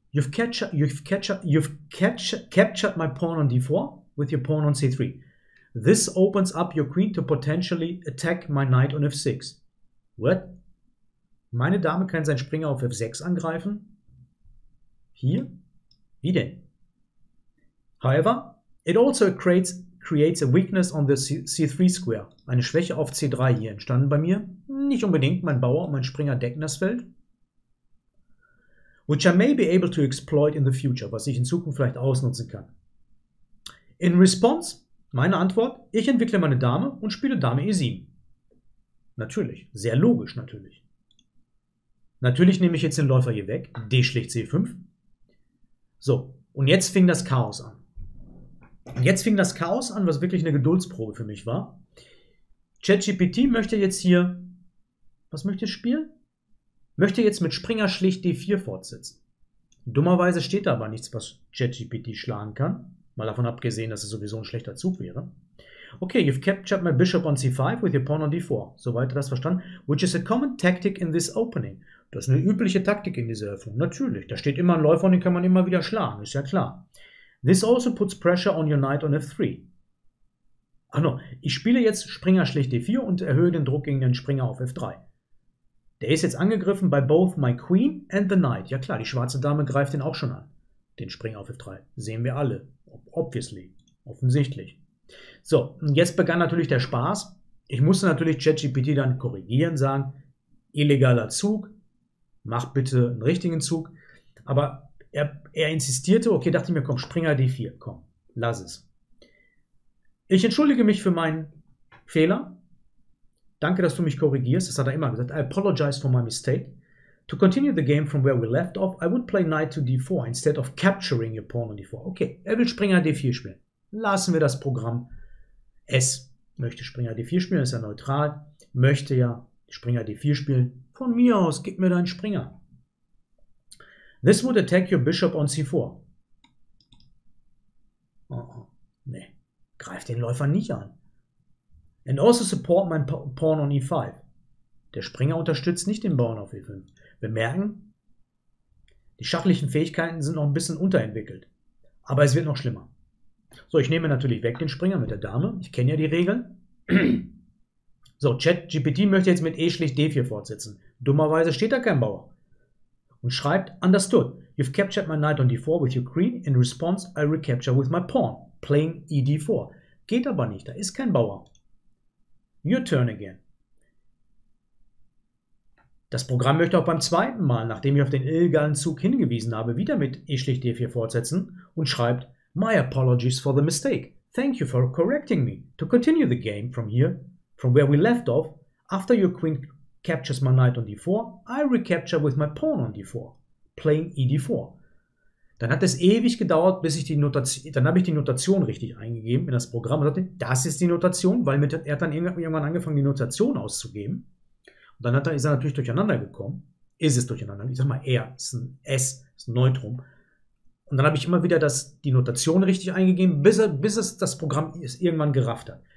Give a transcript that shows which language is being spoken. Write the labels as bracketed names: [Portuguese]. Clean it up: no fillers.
[English] You've captured my pawn on d4 with your pawn on c3. This opens up your queen to potentially attack my knight on f6. What? [German] Meine Dame kann seinen Springer auf f6 angreifen? Hier? Wie denn? [English] However, it also creates a weakness on the c3 square. [German] Eine Schwäche auf c3 hier entstanden bei mir. Nicht unbedingt, mein Bauer und mein Springer decken das Feld. [English] Which I may be able to exploit in the future, [German] was ich in Zukunft vielleicht ausnutzen kann. [English] In response, [German] meine Antwort, ich entwickle meine Dame und spiele Dame e7. Natürlich, sehr logisch natürlich. Natürlich nehme ich jetzt den Läufer hier weg, D schlägt C5. So, und jetzt fing das Chaos an. Was wirklich eine Geduldsprobe für mich war. ChatGPT möchte jetzt hier, was möchte ich spielen? Möchte jetzt mit Springer schlicht D4 fortsetzen. Dummerweise steht da aber nichts, was ChatGPT schlagen kann. Mal davon abgesehen, dass es sowieso ein schlechter Zug wäre. [English] Okay, you've captured my bishop on c5 with your pawn on d4. [German] Soweit das verstanden. [English] Which is a common tactic in this opening. [German] Das ist eine übliche Taktik in dieser Öffnung. Natürlich, da steht immer ein Läufer und den kann man immer wieder schlagen. Ist ja klar. [English] This also puts pressure on your knight on f3. [German] Ach no, ich spiele jetzt Springer schlicht d4 und erhöhe den Druck gegen den Springer auf f3. Der ist jetzt angegriffen bei [English] both my queen and the knight. [German] Ja klar, die schwarze Dame greift den auch schon an. Den Springer auf F3. Sehen wir alle. [English] Obviously. [German] Offensichtlich. So, und jetzt begann natürlich der Spaß. Ich musste natürlich ChatGPT dann korrigieren, sagen, illegaler Zug, mach bitte einen richtigen Zug. Aber er insistierte, okay, dachte ich mir, komm, Springer D4, komm, lass es. Ich entschuldige mich für meinen Fehler. Danke, dass du mich korrigierst. Das hat er immer gesagt. [English] I apologize for my mistake. To continue the game from where we left off, I would play knight to d4 instead of capturing your pawn on d4. [German] Okay, er will Springer d4 spielen. Lassen wir das Programm. Es möchte Springer d4 spielen, ist ja neutral. Möchte ja Springer d4 spielen. Von mir aus, gib mir deinen Springer. [English] This would attack your bishop on c4. [German] Oh, nee. Greif den Läufer nicht an. [English] And also support my pawn on e5. [German] Der Springer unterstützt nicht den Bauern auf e5. Bemerken, die schachlichen Fähigkeiten sind noch ein bisschen unterentwickelt. Aber es wird noch schlimmer. So, ich nehme natürlich weg den Springer mit der Dame. Ich kenne ja die Regeln. So, ChatGPT möchte jetzt mit e d4 fortsetzen. Dummerweise steht da kein Bauer. Und schreibt, [English] understood. You've captured my knight on d4 with your queen. In response, I recapture with my pawn. Playing e d4. [German] Geht aber nicht, da ist kein Bauer. [English] Your turn again. [German] Das Programm möchte auch beim zweiten Mal, nachdem ich auf den illegalen Zug hingewiesen habe, wieder mit e d4 fortsetzen und schreibt, [English] my apologies for the mistake. Thank you for correcting me. To continue the game from here, from where we left off, after your queen captures my knight on d4, I recapture with my pawn on d4. Playing e d4. [German] Dann hat es ewig gedauert, bis ich die Notation, dann habe ich die Notation richtig eingegeben in das Programm und sagte, das ist die Notation, weil mit, er hat dann irgendwann angefangen, die Notation auszugeben. Und dann hat er, ist er natürlich durcheinander gekommen. Ist es durcheinander? Ich sag mal, er ist ein S, ist ein Neutrum. Und dann habe ich immer wieder die Notation richtig eingegeben, bis das Programm es irgendwann gerafft hat.